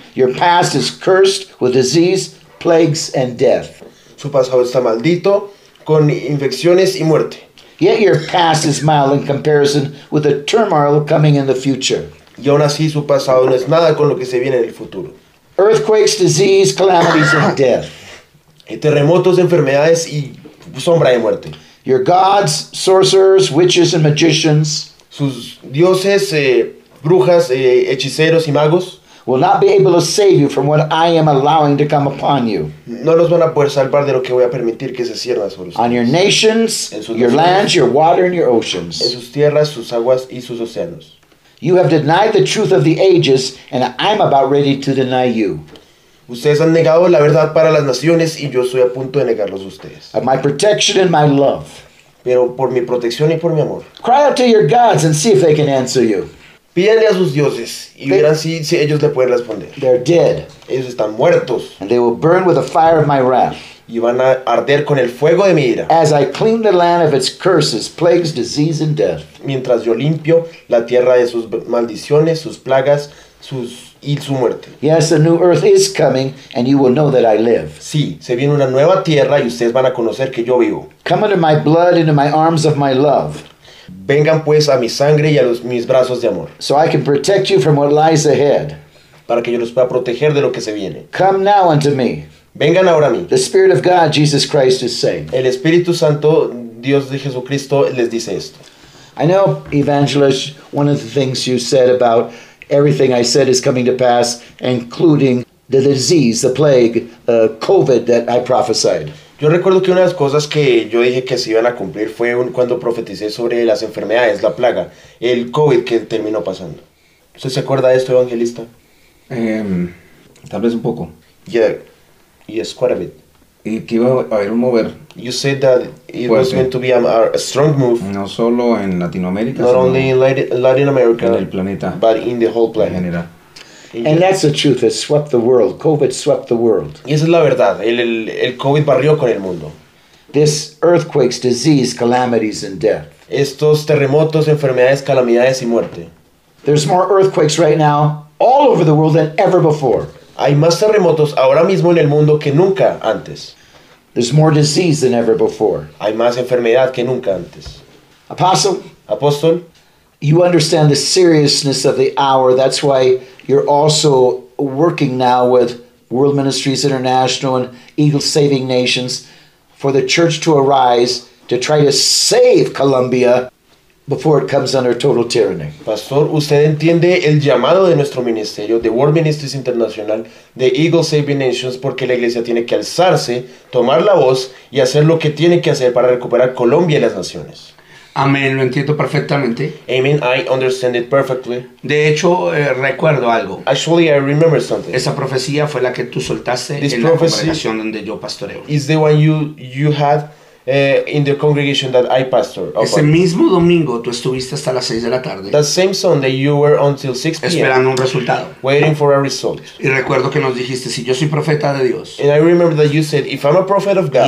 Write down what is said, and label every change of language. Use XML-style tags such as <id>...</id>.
<en>Your past is cursed with disease, plagues and death.</en> <es>Su pasado está maldito con infecciones y muerte.</es> <en>Yet your past is mild in comparison with the turmoil coming in the future.</en> <es>Y aún así su pasado no es nada con lo que se viene en el futuro.</es> <en>Earthquakes, disease, calamities and death.</en> <es>Terremotos, enfermedades y sombra de muerte.</es> <en>Your gods, sorcerers, witches and magicians.</en> <es>Sus dioses, brujas, hechiceros y magos</es> <en>will not be able to save you from what I am allowing to come upon you.</en> <es>No los van a poder salvar de lo que voy a permitir que se cierra sobre ustedes.</es> <en>On your nations, your lands, your water and your oceans.</en> <es>En sus tierras, sus aguas y sus océanos.</es> <en>You have denied the truth of the ages and I'm about ready to deny you.</en> <es>Ustedes han negado la verdad para las naciones y yo estoy a punto de negarlos a ustedes.</es> <en>Of my protection and my love.</en> <es>Pero por mi protección y por mi amor.</es> <en>Cry out to your gods and see if they can answer you.</en> <es>Pídanle a sus dioses y verán si ellos le pueden responder.</es> <en>They're dead.</en> <es>Ellos están muertos.</es> <en>And they will burn with the fire of my wrath.</en> <es>Y van a arder con el fuego de mi ira.</es> <en>As I clean the land of its curses, plagues, disease and death.</en> <es>Mientras yo limpio la tierra de sus maldiciones, sus plagas, sus y su muerte.</es> <en>Yes, a new earth is coming and you will know that I live.</en> <es>Sí, se viene una nueva tierra y ustedes van a conocer que yo vivo.</es> <en>Come into my blood, into my arms of my love.</en> <es>Vengan pues a mi sangre y a mis brazos de amor.</es> <en>So I can protect you from what lies ahead.</en> <es>Para que yo los pueda proteger de lo que se viene.</es> <en>Come now unto me.</en> <es>Vengan ahora a mí.</es> <en>The Spirit of God, Jesus Christ is saying.</en> <es>El Espíritu Santo, Dios de Jesucristo, les dice esto.</es> <en>I know, evangelist, one of the things you said about everything I said is coming to pass, including the disease, the plague, COVID that I prophesied.</en> <es>Yo recuerdo que una de las cosas que yo dije que se iban a cumplir fue cuando profeticé sobre las enfermedades, la plaga, el COVID que terminó pasando. ¿Usted se acuerda de esto, evangelista? Tal vez un poco.</es> <en>Yeah. Yes, quite a bit.</en> <es>Y que iba a haber un mover.</es> <en>You said that it was meant to be a strong move.</en> <es>No solo en Latinoamérica.</es> <en>Not only in Latin America.</en> <es>En el planeta.</es> <en>But in the whole planet.</en> <es>En general.</es> <en>And that's the truth. It swept the world. COVID swept the world.</en> <es>Y esa es la verdad. El COVID barrió con el mundo.</es> <en>This earthquakes, disease, calamities, and death.</en> <es>Estos terremotos, enfermedades, calamidades y muerte.</es> <en>There's more earthquakes right now all over the world than ever before.</en> <es>Hay más terremotos ahora mismo en el mundo que nunca antes.</es> <en>There's more disease than ever before.</en> <es>Hay más enfermedad que nunca antes.</es> <en>Apóstol. You understand the seriousness of the hour. That's why you're also working now with World Ministries International and Eagle Saving Nations for the church to arise to try to save Colombia before it comes under total tyranny.</en> <es>Pastor, usted entiende el llamado de nuestro ministerio, de World Ministries International, de Eagle Saving Nations, porque la iglesia tiene que alzarse, tomar la voz y hacer lo que tiene que hacer para recuperar Colombia y las naciones. Amén, lo entiendo perfectamente.</es> <en>Amen, I understand it perfectly.</en> <es>De hecho, recuerdo algo.</es> <en>Actually, I remember something.</en> <es>Esa profecía fue la que tú soltaste en la congregación donde yo pastoreo.</es> <en>Is the one you had In the congregation that I pastor. Upon.</en> <es>Ese mismo domingo tú estuviste hasta las 6 de la tarde.</es> <en>The same Sunday you were until 6 p.m.</en> <es>Esperando un resultado.</es> <en>Waiting for a result.</en> <es>Y recuerdo que nos dijiste, si yo soy profeta de Dios.</es> <en>And I remember that you said, if I'm a prophet of God.</en>